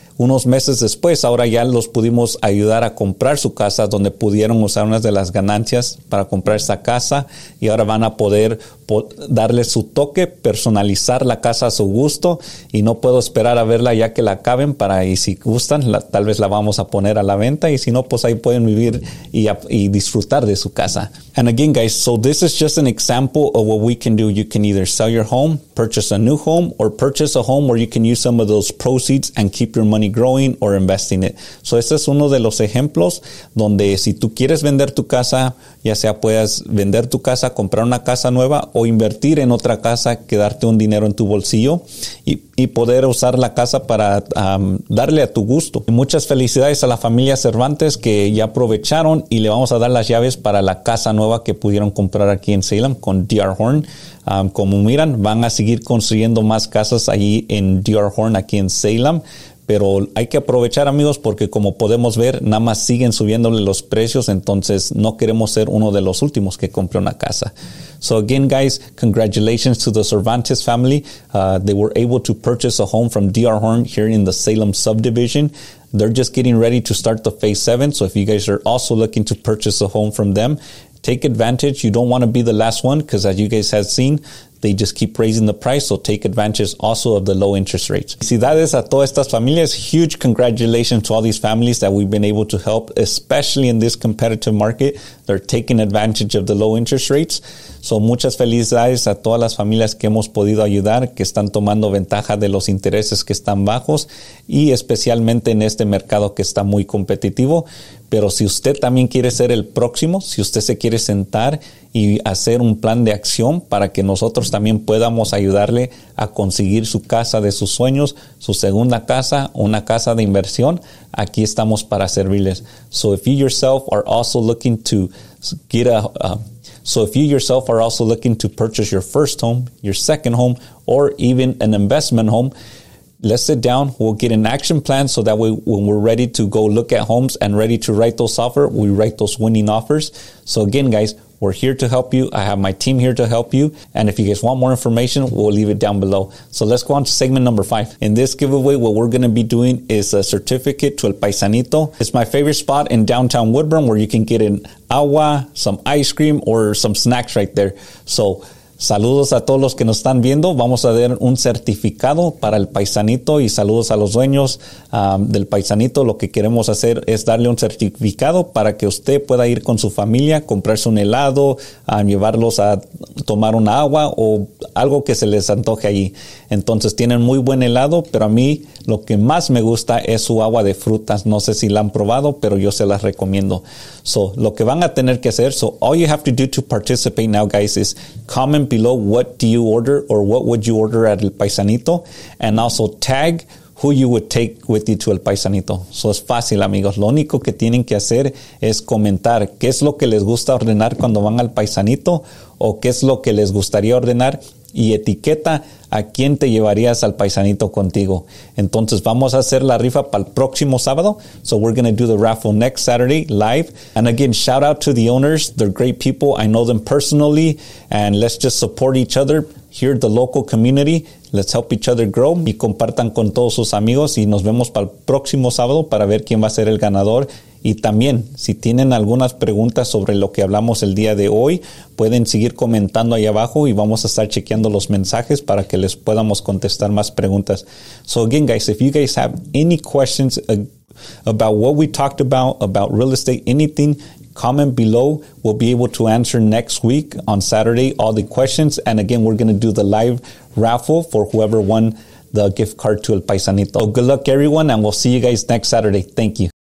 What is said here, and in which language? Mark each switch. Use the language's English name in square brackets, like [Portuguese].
[Spanish] unos meses después, ahora ya los pudimos ayudar a comprar su casa, donde pudieron usar unas de las ganancias para comprar esa casa. Y ahora van a poder darle su toque, personalizar la casa a su gusto. Y no puedo esperar a verla ya que la acaben para, y si gustan, tal vez la vamos a poner a la venta. Y si no, pues ahí pueden vivir y disfrutar de su casa. [English] And again, guys, so this is just an example of what we can do. You can either sell your home, purchase a new home, or purchase a home where you can use some of those proceeds and keep your money growing or investing it. [Spanish] So este es uno de los ejemplos donde si tú quieres vender tu casa, ya sea puedas vender tu casa, comprar una casa nueva o invertir en otra casa, quedarte un dinero en tu bolsillo y poder usar la casa para darle a tu gusto. Y muchas felicidades a la familia Cervantes que ya aprovecharon, y le vamos a dar las llaves para la casa nueva que pudieron comprar aquí en Salem con D.R. Horn. Como miran, van a seguir construyendo más casas allí en D.R. Horn aquí en Salem. Pero hay que aprovechar, amigos, porque como podemos ver, nada más siguen subiéndole los precios. Entonces, no queremos ser uno de los últimos que compre una casa. [English] So again, guys, congratulations to the Cervantes family. They were able to purchase a home from D.R. Horn here in the Salem subdivision. They're just getting ready to start the phase 7. So if you guys are also looking to purchase a home from them, take advantage. You don't want to be the last one, because as you guys have seen, they just keep raising the price. So take advantage also of the low interest rates. [Spanish] Felicidades a todas estas familias. [English] Huge congratulations to all these families that we've been able to help, especially in this competitive market. They're taking advantage of the low interest rates. [Spanish] So muchas felicidades a todas las familias que hemos podido ayudar, que están tomando ventaja de los intereses que están bajos, y especialmente en este mercado que está muy competitivo. Pero si usted también quiere ser el próximo, si usted se quiere sentar y hacer un plan de acción para que nosotros también podamos ayudarle a conseguir su casa de sus sueños, su segunda casa, una casa de inversión, aquí estamos para servirles. [English] So if you yourself are also looking to get a purchase your first home, your second home, or even an investment home, let's sit down. We'll get an action plan so that way when we're ready to go look at homes and ready to write those offers, we write those winning offers. So again, guys, we're here to help you. I have my team here to help you. And if you guys want more information, we'll leave it down below. So let's go on to segment number 5. In this giveaway, what we're going to be doing is a certificate to El Paisanito. It's my favorite spot in downtown Woodburn where you can get an agua, some ice cream, or some snacks right there. [Spanish] So saludos a todos los que nos están viendo. Vamos a dar un certificado para El Paisanito y saludos a los dueños del Paisanito. Lo que queremos hacer es darle un certificado para que usted pueda ir con su familia, comprarse un helado, llevarlos a tomar un agua o algo que se les antoje allí. Entonces tienen muy buen helado, pero a mí lo que más me gusta es su agua de frutas. No sé si la han probado, pero yo se las recomiendo. [English] So [Spanish] lo que van a tener que hacer, [English] so all you have to do to participate now, guys, is comment below what do you order or what would you order at El Paisanito, and also tag who you would take with you to El Paisanito. [Spanish] So es fácil, amigos. Lo único que tienen que hacer es comentar qué es lo que les gusta ordenar cuando van al Paisanito o qué es lo que les gustaría ordenar, y etiqueta a quién te llevarías al Paisanito contigo. Entonces vamos a hacer la rifa para el próximo sábado. [English] So we're going to do the raffle next Saturday live. And again, shout out to the owners. They're great people. I know them personally. And let's just support each other here, the local community. Let's help each other grow. [Spanish] Y compartan con todos sus amigos. Y nos vemos para el próximo sábado para ver quién va a ser el ganador. Y también, si tienen algunas preguntas sobre lo que hablamos el día de hoy, pueden seguir comentando ahí abajo y vamos a estar chequeando los mensajes para que les podamos contestar más preguntas. [English] So again, guys, if you guys have any questions about what we talked about real estate, anything, comment below. We'll be able to answer next week on Saturday all the questions. And again, we're going to do the live raffle for whoever won the gift card to El Paisanito. So good luck, everyone, and we'll see you guys next Saturday. Thank you.